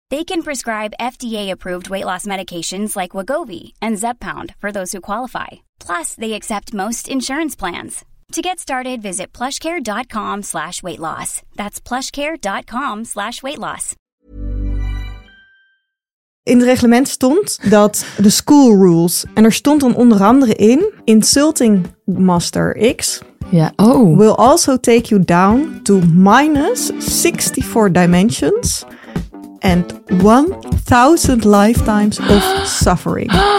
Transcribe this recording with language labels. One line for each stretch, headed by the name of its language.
English: They can prescribe FDA-approved weight loss medications like Wegovy and Zepbound for those who qualify. Plus, they accept most insurance plans. To get started, visit plushcare.com/weightloss. That's plushcare.com/weightloss.
Dutch: In het reglement stond dat de
English: school rules.
Dutch: En er stond dan onder andere in,
English: insulting Master X.
Dutch: Ja, oh.
English: Will also take you down to minus 64 dimensions and 1000 lifetimes of suffering.